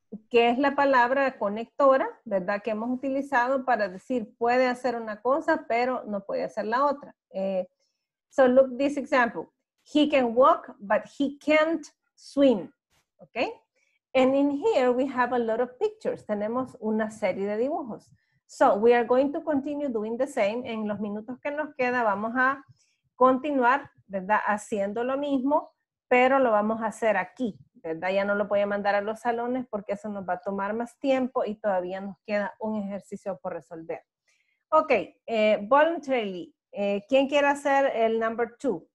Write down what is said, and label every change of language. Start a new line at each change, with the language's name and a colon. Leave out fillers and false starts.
Spanish: Que es la palabra conectora, ¿verdad? Que hemos utilizado para decir puede hacer una cosa, pero no puede hacer la otra.
English: So look this example. He can walk, but he can't swim, okay? And in here, we have a lot of pictures.
Spanish: Tenemos una serie de dibujos.
English: So we are going to continue doing the same.
Spanish: En los minutos que nos queda, vamos a continuar, ¿verdad? Haciendo lo mismo, pero lo vamos a hacer aquí, ¿verdad? Ya no lo voy a mandar a los salones porque eso nos va a tomar más tiempo y todavía nos queda un ejercicio por resolver.
English: Okay, voluntarily.
Spanish: ¿Quién quiere hacer el
English: number two?